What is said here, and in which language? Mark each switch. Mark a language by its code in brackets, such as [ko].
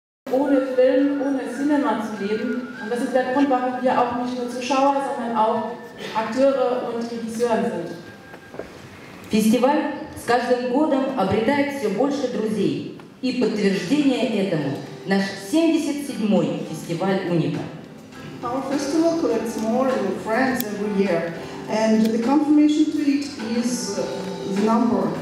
[de] Ohne Film, ohne Cinema zu leben. Und das ist der Grund, warum wir auch nicht nur Zuschauer, sondern auch Akteure und Regisseure sind. [ru] Festival с каждым годом обретает все больше друзей. И подтверждение этому наш 77-й фестиваль Уника. [en] Our festival collects more and more friends every year. And the confirmation to it is the number.